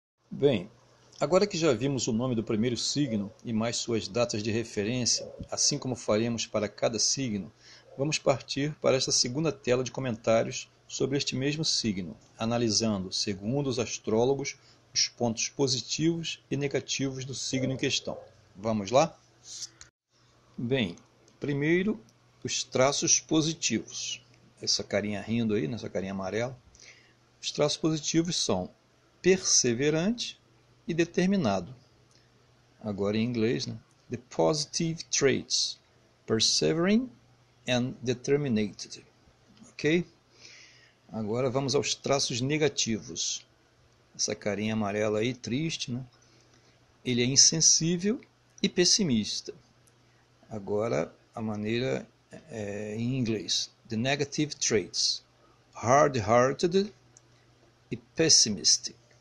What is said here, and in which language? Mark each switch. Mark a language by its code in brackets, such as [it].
[pt] Bem, agora que já vimos o nome do primeiro signo e mais suas datas de referência, assim como faremos para cada signo, vamos partir para esta segunda tela de comentários sobre este mesmo signo, analisando, segundo os astrólogos, os pontos positivos e negativos do signo em questão. Vamos lá? Bem, primeiro, os traços positivos. Essa carinha rindo aí, nessa carinha amarela. Os traços positivos são perseverante e determinado. Agora em inglês, né? [en] The positive traits: persevering and determinated. Ok? [pt] Agora vamos aos traços negativos. Essa carinha amarela aí, triste, né? Ele é insensível e pessimista. Agora a maneira é em inglês: the negative traits: hard-hearted e pessimistic.